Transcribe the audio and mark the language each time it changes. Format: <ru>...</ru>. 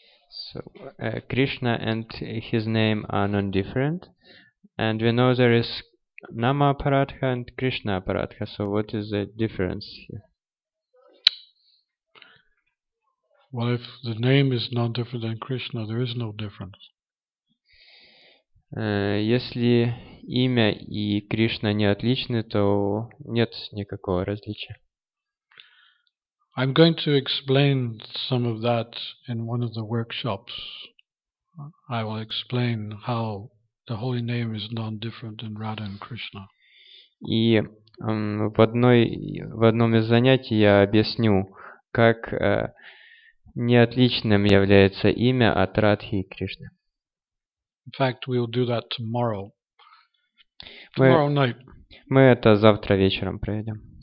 <en>So, Krishna and his name are non-different, and we know there is Nama Aparadha and Krishna Aparadha. So, what is the difference here? Well, if the name is non-different than Krishna, there is no difference.</en> <ru>Если имя и Кришна не отличны, то нет никакого различия.</ru> <en>I'm going to explain some of that in one of the workshops. I will explain how the holy name is non-different than Radha and Krishna.</en> <ru>И в одном из занятий я объясню, как неотличным является имя от Радхи и Кришны.</ru> <en>In fact, we'll do that tomorrow. Tomorrow night.</en> <ru>Мы это завтра вечером проведем.</ru>